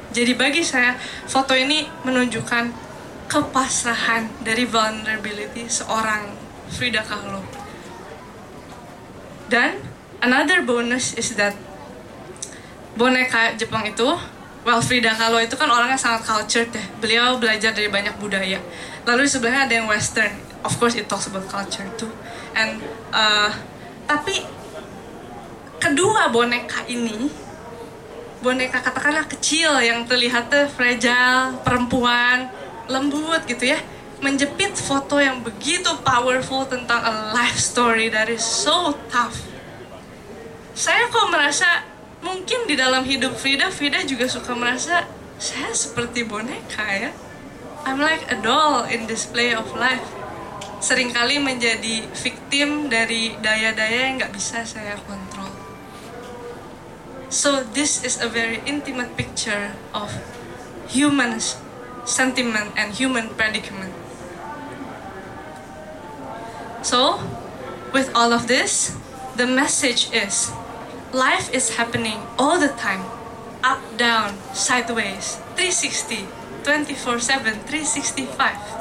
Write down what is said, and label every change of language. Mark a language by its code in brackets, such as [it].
[id] Jadi bagi saya, foto ini menunjukkan kepasrahan dari vulnerability seorang Frida Kahlo. Dan [en] another bonus is that [id] boneka Jepang itu, well, Frida Kahlo itu kan orangnya sangat cultured ya. Beliau belajar dari banyak budaya. Lalu di sebelahnya ada yang Western. [en] Of course it talks about culture too. [id] And tapi kedua boneka ini, boneka katakanlah kecil yang terlihatnya fragile, perempuan, lembut gitu ya, menjepit foto yang begitu powerful tentang [en] a life story that is so tough. [id] Saya kok merasa mungkin di dalam hidup Frida, Frida juga suka merasa saya seperti boneka ya. [en] I'm like a doll in display of life. [id] Seringkali menjadi victim dari daya-daya yang gak bisa saya kontrol. [en] So this is a very intimate picture of human sentiment and human predicament. So, with all of this, the message is, life is happening all the time, up, down, sideways, 360, 24/7, 365.